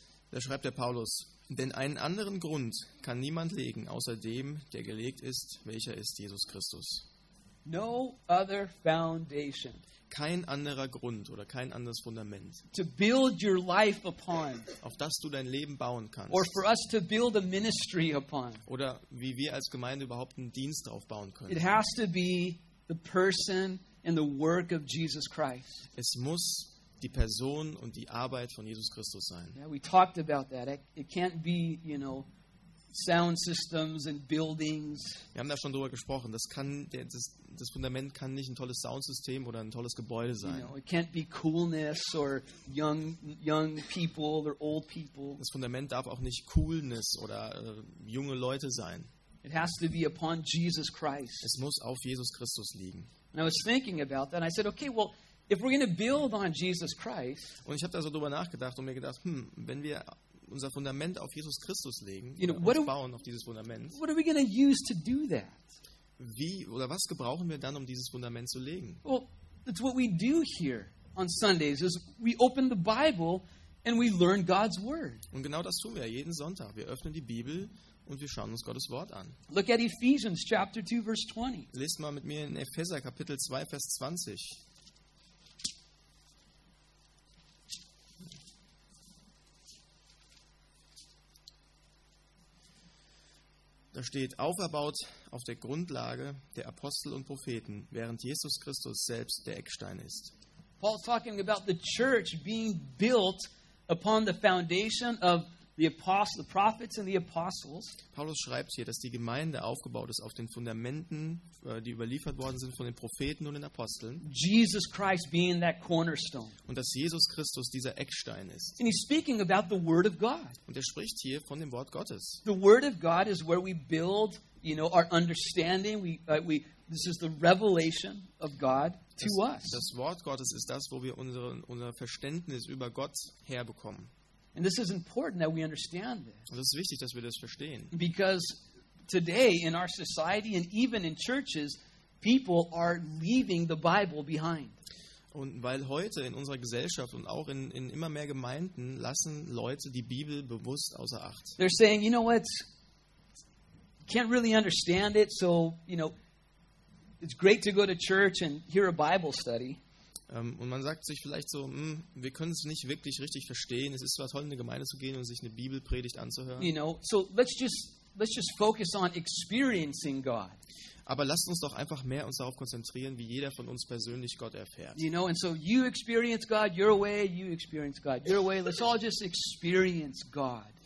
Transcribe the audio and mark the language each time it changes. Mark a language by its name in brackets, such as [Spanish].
[German] Da schreibt der Paulus, denn einen anderen Grund kann niemand legen, außer dem, der gelegt ist, welcher ist Jesus Christus. [English] No other foundation. [German] Kein anderer Grund oder kein anderes Fundament. [English] To build your life upon. [German] Auf das du dein Leben bauen kannst. [English] Or for us to build a ministry upon. [German] Oder wie wir als Gemeinde überhaupt einen Dienst aufbauen können. [English] It has to be the person and the work of Jesus Christ. [German] Es muss die Person und die Arbeit von Jesus Christus sein. [English] Yeah, we talked about that. It can't be, you know, sound systems and buildings. [German] Wir haben da schon drüber gesprochen. Das Fundament kann nicht ein tolles Soundsystem oder ein tolles Gebäude sein. [English] You know, it can't be coolness or young people or old people. [German] Das Fundament darf auch nicht Coolness oder junge Leute sein. [English] It has to be upon Jesus Christ. [German] Es muss auf Jesus Christus liegen. [English] And I was thinking about that. And I said, okay, well, if we're going to build on Jesus Christ. [German] Und ich habe da so drüber nachgedacht und mir gedacht, wenn wir unser Fundament auf Jesus Christus legen, [English] you know, [German] und bauen auf dieses Fundament. [English] What are we going to use to do that? [German] Wie oder was gebrauchen wir dann, um dieses Fundament zu legen? [English] Well, it's what we do here on Sundays is we open the Bible and we learn God's word. [German] Und genau das tun wir jeden Sonntag. Wir öffnen die Bibel und wir schauen uns Gottes Wort an. [English] Look at Ephesians chapter 2 verse 20. [German] Lest mal mit mir in Epheser Kapitel 2 Vers 20. Da steht, auferbaut auf der Grundlage der Apostel und Propheten, während Jesus Christus selbst der Eckstein ist. [English] Paul is talking about the church being built upon the foundation of the apostles, the prophets and the apostles. [German] Paulus schreibt hier, dass die Gemeinde aufgebaut ist auf den Fundamenten, die überliefert worden sind von den Propheten und den Aposteln. [English] Jesus Christ being that cornerstone. [German] Und dass Jesus Christus dieser Eckstein ist. [English] And he's speaking about the word of God. [German] Und er spricht hier von dem Wort Gottes. [English] The word of God is where we build, you know, our understanding. This is the revelation of God to us. [German] Das Wort Gottes ist das, wo wir unser Verständnis über Gott herbekommen. [English] And this is important that we understand this. [German] Und es ist wichtig, dass wir das verstehen. [English] Because today in our society and even in churches, people are leaving the Bible behind. [German] Und weil heute in unserer Gesellschaft und auch in immer mehr Gemeinden lassen Leute die Bibel bewusst außer Acht. [English] They're saying, you know what? Can't really understand it, so you know, it's great to go to church and hear a Bible study. [German] Und man sagt sich vielleicht so, wir können es nicht wirklich richtig verstehen. Es ist zwar toll, in eine Gemeinde zu gehen und sich eine Bibelpredigt anzuhören. [English] You know, so let's just focus on experiencing God. [German] Aber lasst uns doch einfach mehr uns darauf konzentrieren, wie jeder von uns persönlich Gott erfährt. [English] You know, and so you experience God your way, you experience God your way. Let's all just experience God.